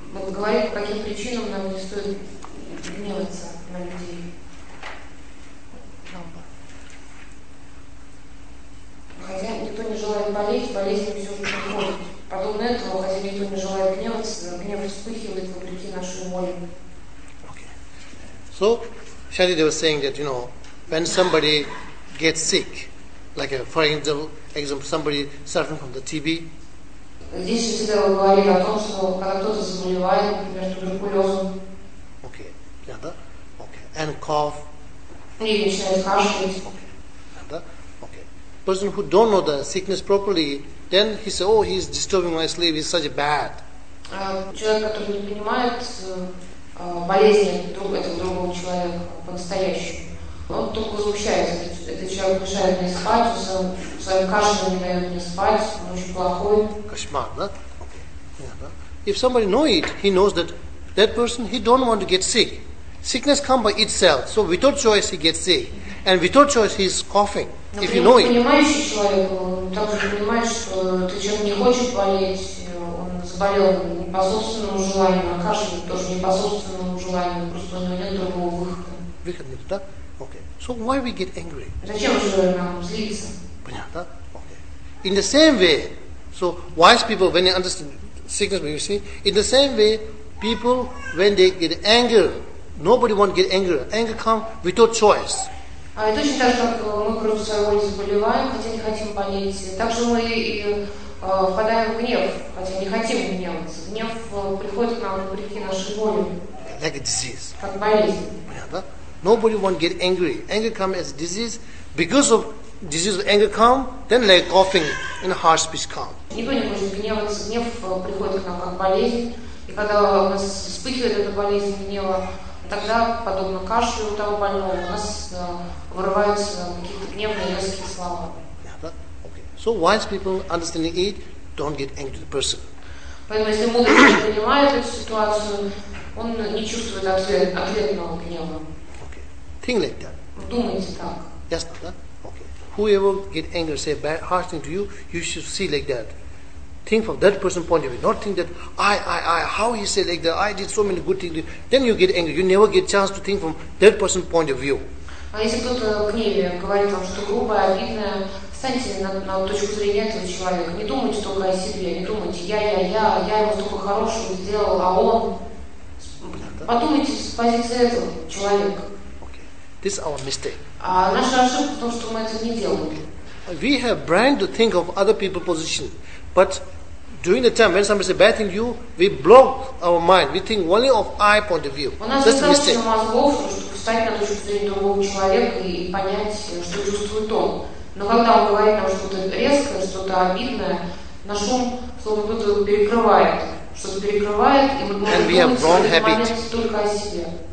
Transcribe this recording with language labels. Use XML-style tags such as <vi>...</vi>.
<ru>Говорит, по каким причинам нам не стоит гневаться на людей. Хотя никто не желает болеть, болезнь все же приходит. Подобно этому, хотя никто не желает гневаться, гнев вспыхивает вопреки нашей воле.</ru> <en>Okay. So, Shantideva was saying that, you know, when somebody gets sick, like for example, somebody suffering from the TB,</en> <ru>здесь всегда говорили о том, что когда кто-то заболевает, например, туберкулезом.</ru> <en>Okay. Yeah, that? Okay. And cough.</en> <ru>И начинает кашлять.</ru> <en>Okay. Yeah, that? Okay. Person who don't know the sickness properly, then he says, oh, he's disturbing my sleep, he's such a bad.</en> <ru>Человек, который не понимает болезни этого другого человека по-настоящему, он только возмущается. Этот человек мешает мне спать, своим кашлем не дает мне спать, он очень плохой. Кошмар, да? Okay.</ru> <en>Yeah, да? If somebody know it, he knows that person, he don't want to get sick. Sickness comes by itself, so without choice he gets sick. And without choice he's coughing,</en> <ru>но</ru> <en>if you know</en> <ru>понимающий Понимающий человек, он также понимает, что ты человек не хочет болеть, он заболел не по собственному желанию, а кашлем тоже не по собственному желанию, просто у него нет другого выхода. Выход нет, да?</ru> <en>Okay. So why we get angry?</en> <ru>Зачем же нам злиться? Понятно?</ru> <en>Okay. In the same way, so wise people, when they understand, sickness, you see. In the same way, people, when they get anger, nobody wants to get angry. Anger comes without choice. Like a disease. Yeah, nobody wants to get angry. Anger comes as a disease. Because of disease of anger come, then like coughing and heart speech come.</en> <ru>Никто не может гневаться, гнев приходит к нам как болезнь. И когда у нас вспыхивает эта болезнь гнева, тогда, подобно кашлю у того больного, у нас вырываются какие-то гневные резкие слова.</ru> <en>Yeah, that, okay. So wise people understanding it, don't get angry at the person.</en> <ru>Поэтому если мудрый человек понимает эту ситуацию, он не чувствует ответного гнева.</ru> <en>Okay. Think like that.</en> <ru>Думайте так.</ru> <en>Yes, whoever get angry, say bad, harsh thing to you, you should see like that. Think from that person's point of view. Not think that, I, how he say like that, I did so many good things. Then you get angry. You never get chance to think from that person's point of view.</en> <ru>А если кто-то в гневе говорит вам, что грубое, обидное, встаньте на точку зрения этого человека. Не думайте только о себе. Не думайте, я ему столько хорошего сделал, а он... Подумайте с позиции этого человека.</ru> <en>This is our mistake.</en> <ru>Наша ошибка в том, что мы это не делаем.</ru> <en>We have brain to think of other people's position, but during the time when somebody says bad thing to you, we block our mind. We think only of I point of view.</en> <ru>У нас достаточно мозгов, чтобы встать на точку зрения другого человека и понять, что чувствует он. Но когда он говорит нам что-то резкое, что-то обидное, наш ум словно будто перекрывает, что-то перекрывает, и мы And можем думать, что это понять только о себе.</ru>